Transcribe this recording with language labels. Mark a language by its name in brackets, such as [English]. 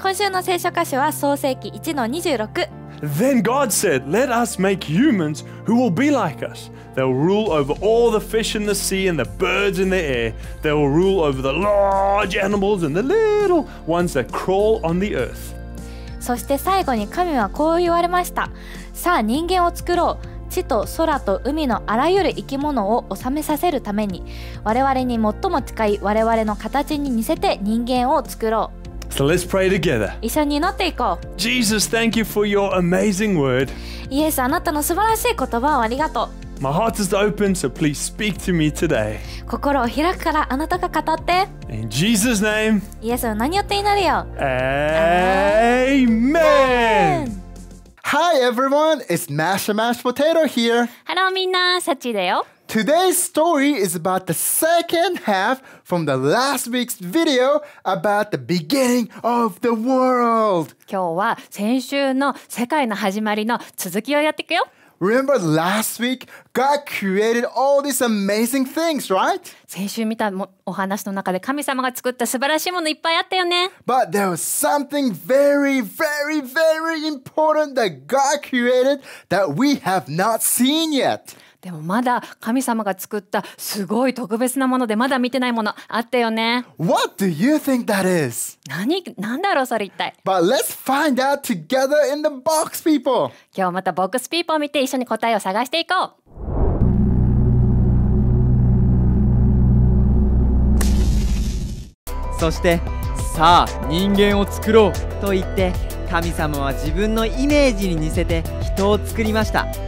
[Japanese] 今週の聖書箇所は創世記 1:26. [English] Then God said, "Let us make humans who will be like us. They will rule over all the fish in the sea and the birds in the air. They will rule over the large animals and the little ones that crawl on the earth." [Japanese] そして最後に神はこう言われました。さあ人間を作ろう。地と空と海のあらゆる生き物を治めさせるために我々に最も近い我々の形に似せて人間を作ろう。 [English] So let's pray together. [Japanese] 一緒に祈っていこう。 [English] Jesus, thank you for your amazing word. [Japanese] イエス、あなたの素晴らしい言葉をありがとう。 [English] My heart is open, so please speak to me today. [Japanese] 心を開くからあなたが語って。 [English] In Jesus' name. [Japanese] イエスの名によって祈るよ。 [English] Amen. Hi everyone, it's Mash and Mash Potato here. [Japanese] Hello, みんな、サチだよ。 [English] Today's story is about the second half from the last week's video about the beginning of the world. [Japanese] 今日は先週の世界の始まりの続きをやっていくよ。 [English] Remember last week, God created all these amazing things, right? [Japanese] 先週見たお話の中で神様が作った素晴らしいものいっぱいあったよね。 [English] But there was something very, very, very important that God created that we have not seen yet. [Japanese] でもまだ神様が作ったすごい特別なものでまだ見てないものあったよね。 [English] What do you think that is? [Japanese] 何だろうそれ一体。 [English] But let's find out together in the box people. [Japanese] 今日またボックスピーポー見て一緒に答えを探していこう。そしてさあ人間を作ろうと言って神様は自分のイメージに似せて人を作りました。